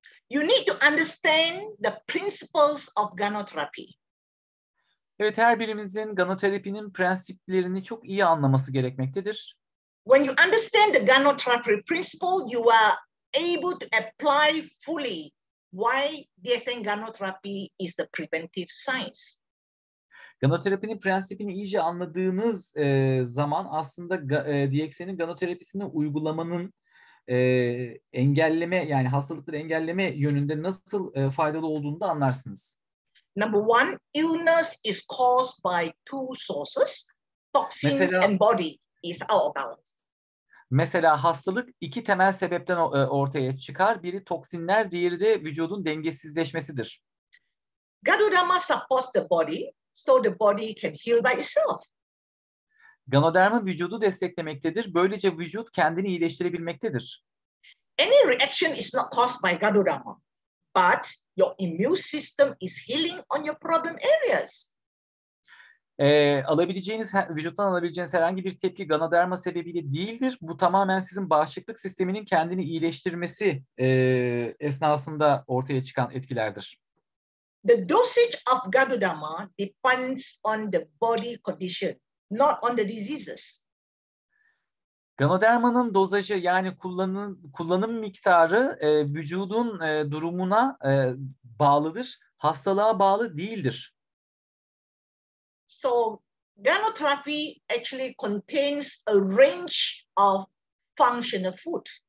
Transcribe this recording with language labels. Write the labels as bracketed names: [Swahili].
[English] You need to understand the principles of ganoterapy. [Turkish] Evet, her birimizin ganoterapinin prensiplerini çok iyi anlaması gerekmektedir. [English] When you understand the ganoterapy principle, you are able to apply fully why DSM ganoterapy is the preventive science. [Turkish] Ganoterapinin prensibini iyice anladığınız zaman aslında DXN'in ganoterapisini uygulamanın engelleme, yani hastalıkları engelleme yönünde nasıl faydalı olduğunu da anlarsınız. [English] Number one, illness is caused by two sources. Toxins [Turkish] mesela, [English] and body is out of balance. [Turkish] Mesela hastalık iki temel sebepten ortaya çıkar. Biri toksinler, diğeri de vücudun dengesizleşmesidir. [English] Ganoderma supports the body. So the body can heal by itself. [Turkish] Ganoderma vücudu desteklemektedir. Böylece vücut kendini iyileştirebilmektedir. [English] Any reaction is not caused by ganoderma, but your immune system is healing on your problem areas. [Turkish] Vücuttan alabileceğiniz herhangi bir tepki ganoderma sebebiyle değildir. Bu tamamen sizin bağışıklık sisteminin kendini iyileştirmesi esnasında ortaya çıkan etkilerdir. [English] The dosage of ganoderma depends on the body condition, not on the diseases. [Turkish] Ganoderma'nın dozajı, yani kullanım miktarı vücudun durumuna bağlıdır, hastalığa bağlı değildir. [English] So, ganoterapi actually contains a range of functional food.